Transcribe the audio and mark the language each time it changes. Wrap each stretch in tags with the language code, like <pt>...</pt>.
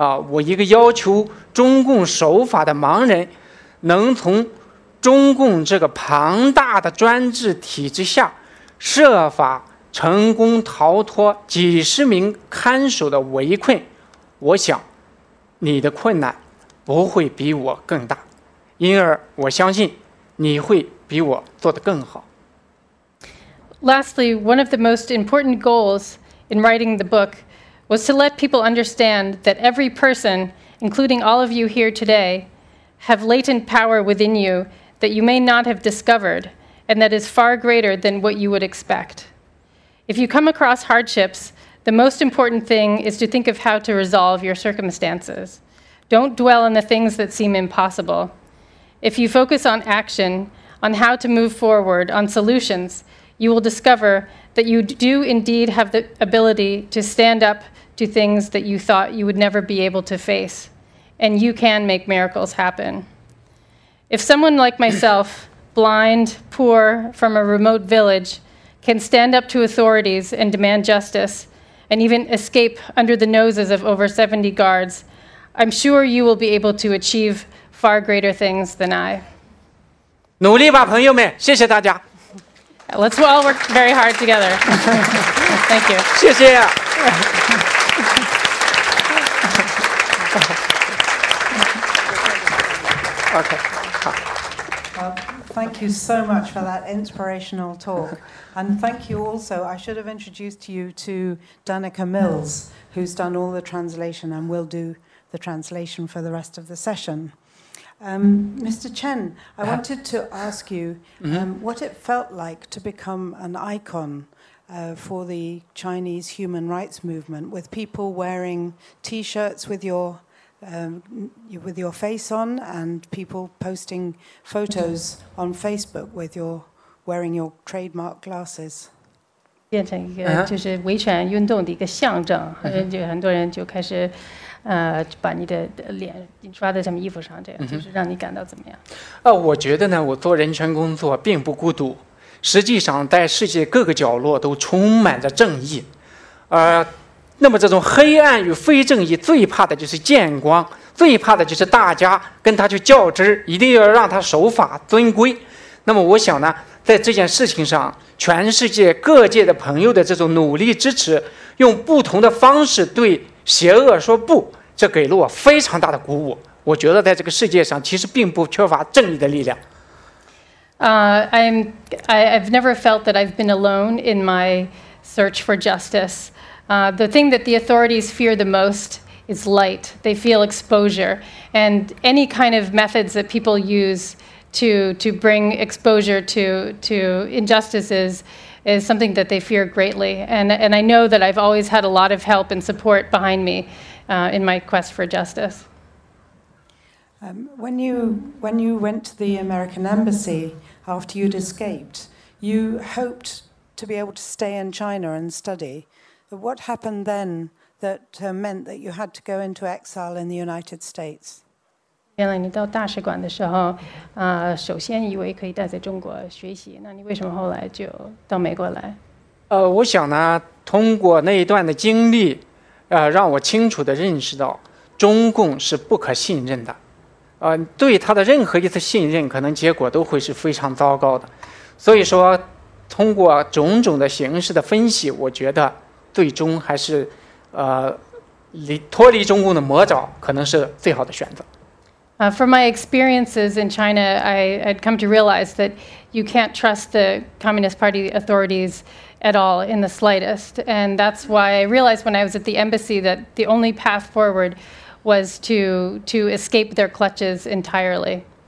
<zh>我一个要求中共守法的盲人，能从中共这个庞大的专制体制下设法成功逃脱几十名看守的围困，我想你的困难不会比我更大，因而我相信你会比我做得更好。</zh> <en>Lastly, one of the most important goals in writing the book was to let people understand that every person, including all of you here today, have latent power within you that you may not have discovered and that is far greater than what you would expect. If you come across hardships, the most important thing is to think of how to resolve your circumstances. Don't dwell on the things that seem impossible. If you focus on action, on how to move forward, on solutions, you will discover that you do indeed have the ability to stand up to things that you thought you would never be able to face, and you can make miracles happen. If someone like myself, blind, poor, from a remote village, can stand up to authorities and demand justice, and even escape under the noses of over 70 guards, I'm sure you will be able to achieve far greater things than I.</en> <zh>努力吧，朋友们，谢谢大家。</zh> <en>Let's all work very hard together. Thank you.</en> <zh>谢谢。</zh> <en>Thank you so much for that inspirational talk. And thank you also, I should have introduced you to Danica Mills, who's done all the translation and will do the translation for the rest of the session. Mr. Chen, I wanted to ask you what it felt like to become an icon for the Chinese human rights movement, with people wearing T-shirts with your face on, and people posting photos on Facebook with your wearing your trademark glasses.</en> <zh>变成一个就是维权运动的一个象征，就很多人就开始，把你的脸刷在什么衣服上，这样就是让你感到怎么样？我觉得呢，我做人权工作并不孤独，实际上在世界各个角落都充满着正义，那么这种黑暗与非正义最怕的就是见光，最怕的就是大家跟他去较真，一定要让他守法遵规。那么我想呢，在这件事情上，全世界各界的朋友的这种努力支持，用不同的方式对邪恶说不，这给了我非常大的鼓舞。我觉得在这个世界上其实并不缺乏正义的力量。</zh> <en>I've never felt that I've been alone in my search for justice. The thing that the authorities fear the most is light. They feel exposure. And any kind of methods that people use to bring exposure to injustices is something that they fear greatly. And I know that I've always had a lot of help and support behind me in my quest for justice. When you went to the American embassy after you'd escaped, you hoped to be able to stay in China and study. But what happened then that meant that you had to go into exile in the United States?</en> <zh>原来你到大使馆的时候，首先以为可以待在中国学习，那你为什么后来就到美国来？我想呢，通过那一段的经历，让我清楚地认识到中共是不可信任的，对他的任何一次信任，可能结果都会是非常糟糕的。所以说，通过种种的形式的分析，我觉得最终还是，脱离中共的魔爪，可能是最好的选择。</zh> <en>From my experiences in China, I'd come to realize that you can't trust the Communist Party authorities at all, in the slightest. And that's why I realized when I was at the embassy that the only path forward was to escape their clutches entirely.</en>